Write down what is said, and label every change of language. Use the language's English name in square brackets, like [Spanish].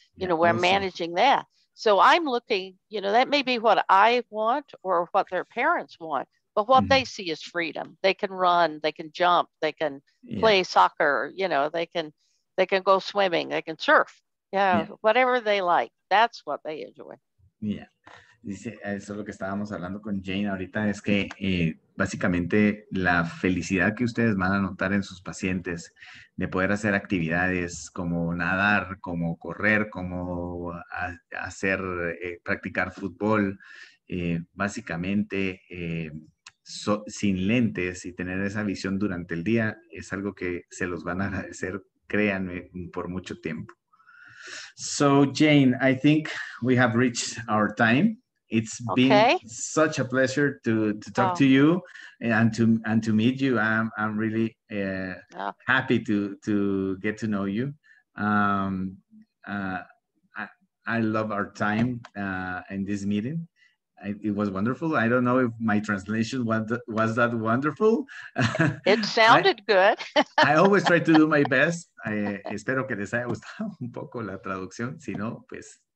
[English] Managing that. So I'm looking, you know, that may be what I want or what their parents want, but what they see is freedom. They can run, they can jump, they can play soccer, you know, they can go swimming, they can surf, whatever they like. That's what they enjoy. Yeah. [Spanish] Dice, eso es lo que estábamos hablando con Jane ahorita, es que básicamente la felicidad que ustedes van a notar en sus pacientes de poder hacer actividades como nadar, como correr, como hacer, practicar fútbol, básicamente sin lentes y tener esa visión durante el día, es algo que se los van a agradecer, créanme, por mucho tiempo. [English] So Jane, I think we have reached our time. It's been such a pleasure to talk to you and to meet you. I'm really happy to get to know you. I love our time in this meeting. It was wonderful. I don't know if my translation was that wonderful. It sounded good. I always try to do my best. [Spanish] Espero que les haya gustado un poco la traducción. Si no, pues